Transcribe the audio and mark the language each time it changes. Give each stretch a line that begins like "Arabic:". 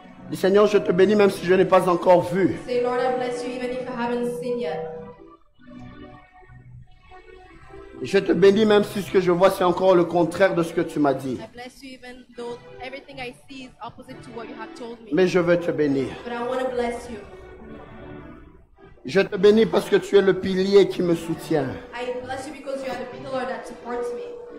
French: Dis Seigneur, je te bénis même si je n'ai pas encore vu.
English: Say Lord, I bless you even if I haven't seen yet.
French: Je te bénis même si ce que je vois c'est encore le contraire de ce que tu m'as dit.
English: I bless you even though everything I see is opposite to what you have told me.
French: Mais je veux te bénir.
English: But I want to bless you.
French: Je te bénis parce que tu es le pilier qui me soutient.
English: I bless you because you are the pillar that supports me.